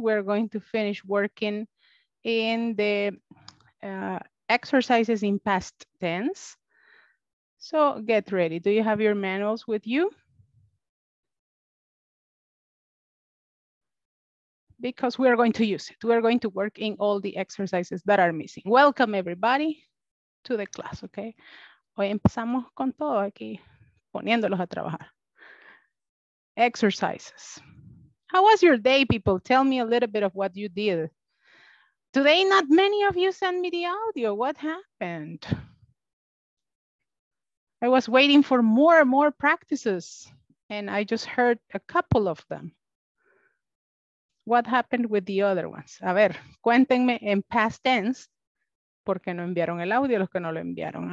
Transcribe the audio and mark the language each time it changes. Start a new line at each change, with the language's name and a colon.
English: We're going to finish working in the exercises in past tense. So get ready. Do you have your manuals with you? Because we are going to use it. We are going to work in all the exercises that are missing. Welcome everybody to the class, okay?
Spanish: Hoy empezamos con todo aquí, poniéndolos a trabajar.
English: Exercises. How was your day, people? Tell me a little bit of what you did. Today, not many of you sent me the audio. What happened? I was waiting for more and more practices, and I just heard a couple of them. What happened with the other ones?
Spanish: A ver, cuéntenme en past tense, porque no enviaron el audio los que no lo enviaron.